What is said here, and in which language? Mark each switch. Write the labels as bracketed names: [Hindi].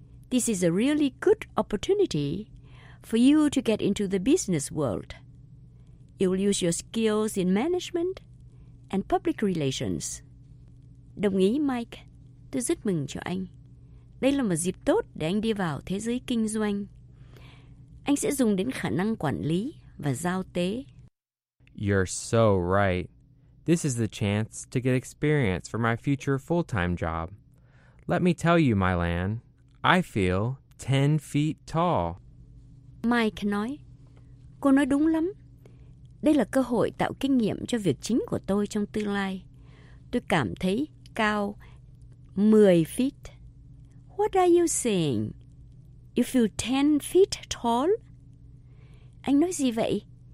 [English] This is a really good opportunity for you to get into the business world. You'll use your skills in management and public relations. [Vietnamese] Đồng ý, [English] Mike. [Vietnamese] Tôi rất mừng cho anh. Đây là một dịp tốt để anh đi vào thế giới kinh doanh. Anh sẽ dùng đến khả năng quản lý và giao tế. [English] You're so right. This is the chance to get experience for my future full-time job. Let me tell you, Mylan, I feel 10 feet tall. [Vietnamese] Mike nói, cô nói đúng lắm. Đây là cơ hội tạo kinh nghiệm cho việc chính của tôi trong tương lai. Tôi cảm thấy cao 10 feet. [English] What are you saying? You feel 10 feet tall? [Vietnamese] Anh nói gì vậy?